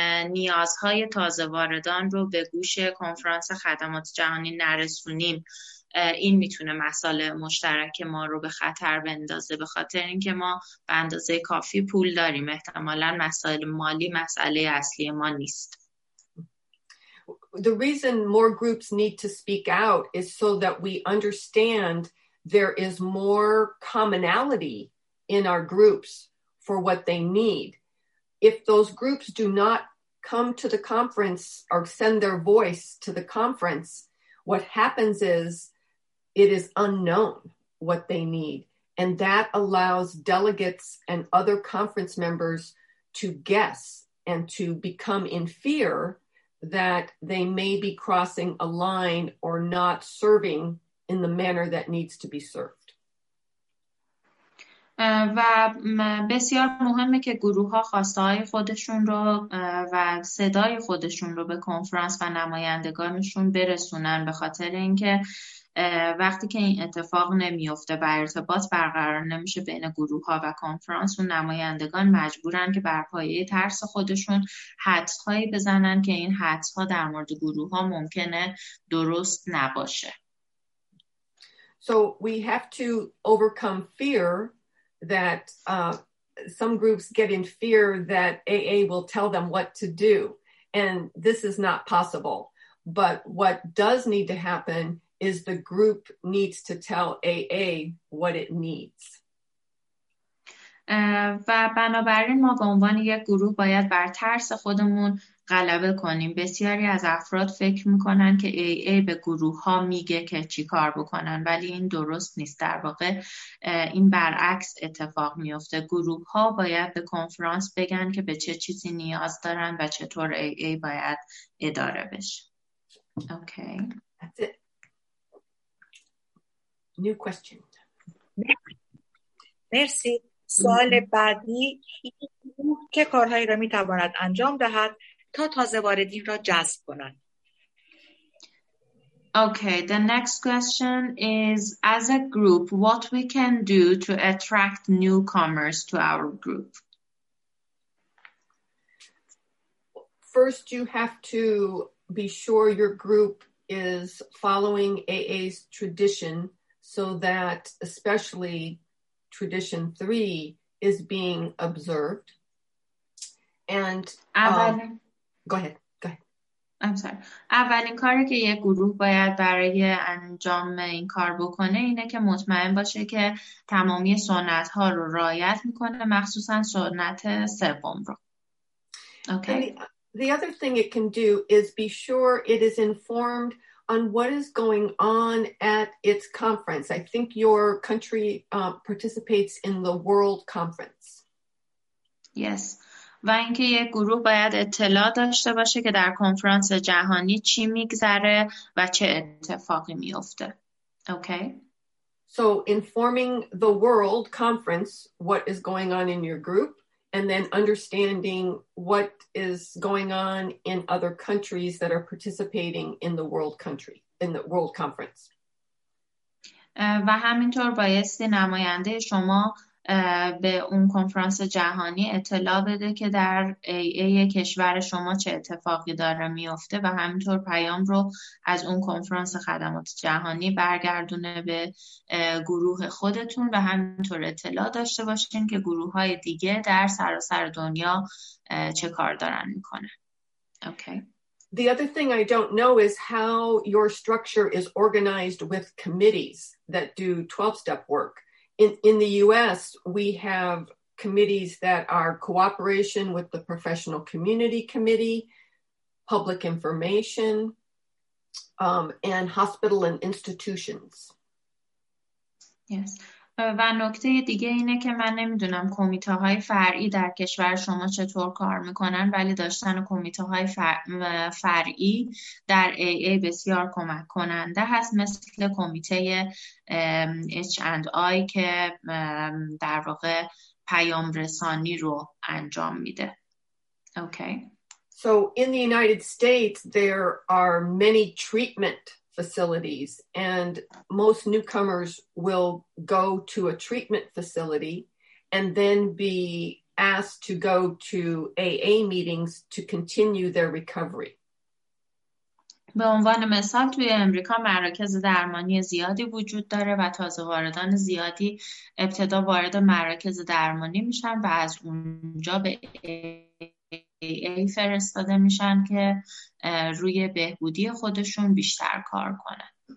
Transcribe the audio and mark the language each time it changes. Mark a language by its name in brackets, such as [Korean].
[Persian] نیازهای تازه واردان رو به گوش کنفرانس خدمات جهانی نرسونیم، این میتونه مساله مشترک ما رو به خطر بندازه، به خاطر اینکه ما به اندازه کافی پول داریم. احتمالاً مسائل مالی مسئله اصلی ما نیست. [English] The reason more groups need to speak out is so that we understand there is more commonality in our groups for what they need. If those groups do not come to the conference or send their voice to the conference, what happens is it is unknown what they need, and that allows delegates and other conference members to guess and to become in fear that they may be crossing a line or not serving in the manner that needs to be served. [Persian] و بسیار مهمه که گروه ها خواسته های خودشون رو و صدای خودشون رو به کنفرانس و نمایندگانشون برسونن، به خاطر اینکه وقتی که این اتفاق نمیفته و ارتباط برقرار نمیشه بین گروه ها و کنفرانس، و نمایندگان مجبورن که بر پایه ترس خودشون حدس هایی بزنن که این حدس ها در مورد گروه ها ممکنه درست نباشه. [English] So we have to overcome fear that some groups get in fear that AA will tell them what to do. And this is not possible. But what does need to happen is the group needs to tell AA what it needs. [Persian] و بنابراین ما به عنوان یک گروه باید بر ترس خودمون غلبه کنیم. بسیاری از افراد فکر میکنن که AA به گروه ها میگه که چی کار بکنن، ولی این درست نیست. در واقع این برعکس اتفاق میفته. گروه ها باید به کنفرانس بگن که به چه چیزی نیاز دارن و چطور AA باید اداره بشه. [English] Okay. That's it. New question. [Persian] مرسی. سوال بعدی، که کارهایی را می تواند انجام دهد تا تازه واردین را جذب کند؟ [English] Okay, the next question is, as a group, what we can do to attract newcomers to our group? First, you have to be sure your group is following AA's tradition so that especially tradition 3 is being observed. And go ahead. [Persian] اولین کاری که یک گروه باید برای انجام این کار بکنه اینه که مطمئن باشه که تمامی سنت ها رو رعایت میکنه، مخصوصا سنت سوم رو. Okay. [English] And The other thing it can do is be sure it is informed on what is going on at its conference. I think your country participates in the World Conference. Yes. [Persian] و اینکه یک گروه باید اطلاع داشته باشه که در کنفرانس جهانی چی میگذره و چه اتفاقی میفته. [English] Okay. So informing the World Conference what is going on in your group, and then understanding what is going on in other countries that are participating in the World Country, in the World Conference. [Persian] و همینطور بایستی نماینده شما به اون کنفرانس جهانی اطلاع بده که در AA کشور شما چه اتفاقی داره میفته و همینطور پیام رو از اون کنفرانس خدمات جهانی برگردونه به گروه خودتون و همینطور اطلاع داشته باشین که گروه های دیگه در سراسر دنیا چه کار دارن میکنه. [English] Okay. The other thing I don't know is how your structure is organized with committees that do 12-step work. In the U.S., we have committees that are cooperation with the Professional Community Committee, public information, and hospital and institutions. Yes. [Persian] و نکته دیگه اینه که من نمیدونم کمیته‌های فرعی در کشور شما چطور کار میکنن، ولی داشتن کمیته‌های فرعی در AA بسیار کمک کننده هست، مثل کمیته H&I که در واقع پیام رسانی رو انجام میده. [English] Okay. So in the United States there are many treatment facilities, and most newcomers will go to a treatment facility and then be asked to go to AA meetings to continue their recovery. [Persian] به عنوان مثال توی امریکا مراکز درمانی زیادی وجود داره و تازه واردان زیادی ابتدا وارد مراکز درمانی میشن و از اونجا به AA فرستاده میشن که روی بهبودی خودشون بیشتر کار کنن.